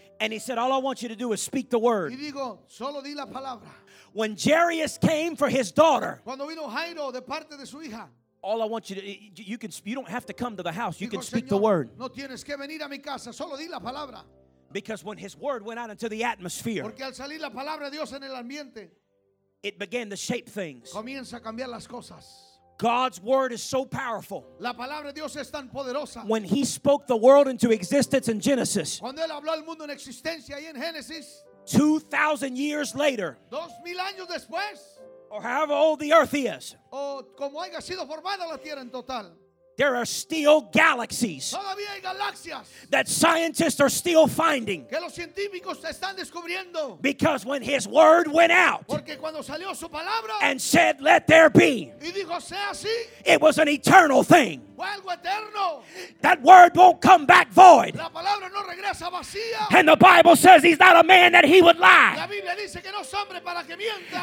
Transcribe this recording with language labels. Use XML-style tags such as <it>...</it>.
<en>And he said, all I want you to do is speak the word.</en> <es>Y digo, solo di la palabra.</es> <en>When Jairus came for his daughter,</en> <es>cuando vino Jairo de parte de su hija,</es> <en>all I want you to, you don't have to come to the house. You</en> <es>digo,</es> <en>can speak</en> <es>Señor,</es> <en>the word.</en> <es>No tienes que venir a mi casa, solo di la palabra.</es> <en>Because when his word went out into the atmosphere,</en> <es>porque al salir la palabra de Dios en el ambiente,</es> <en>it began to shape things.</en> <es>Comienza a cambiar las cosas.</es> <en>God's word is so powerful.</en> <es>La palabra de Dios es tan poderosa.</es> <en>When he spoke the world into existence in Genesis,</en> <es>cuando él habló al mundo en existencia y en Génesis,</es> <en>2,000 years later,</en> <es>2,000 años después,</es> <en>or however old the earth is,</en> <es>o como haya sido formada la tierra en total,</es> <en>there are still galaxies</en> <es>todavía hay galaxias</es> <en>that scientists are still finding,</en> <es>que los científicos están descubriendo,</es> <en>because when his word went out,</en> <es>porque cuando salió su palabra,</es> <en>and said let there be,</en> <es>y dijo, sea así,</es> <en>it was an eternal thing.</en> <es>Fue algo eterno.</es> <en>That word won't come back void.</en> <es>La palabra no regresa vacía.</es> <en>And the Bible says he's not a man that he would lie.</en> <es>La Biblia dice que no es hombre para que mienta.</es>